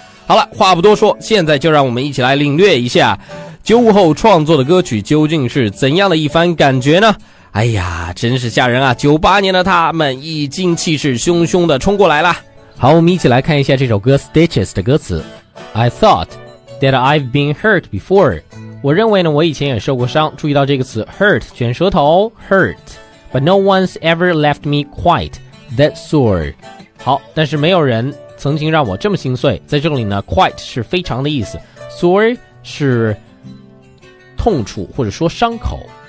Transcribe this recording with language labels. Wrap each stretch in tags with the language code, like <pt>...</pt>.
<zh>好了，话不多说，现在就让我们一起来领略一下95后创作的歌曲究竟是怎样的一番感觉呢？哎呀，真是吓人啊，98年的他们已经气势汹汹地冲过来了。好，我们一起来看一下这首歌 Stitches 的歌词。</zh> <en>I thoughtThat I've been hurt before，</en> <zh>我认为呢我以前也受过伤。注意到这个词 hurt， 卷舌头 hurt，</zh> <en>but no one's ever left me quite that sore，</en> <zh>好，但是没有人曾经让我这么心碎。在这里呢 quite 是非常的意思， sore 是痛处或者说伤口。</zh>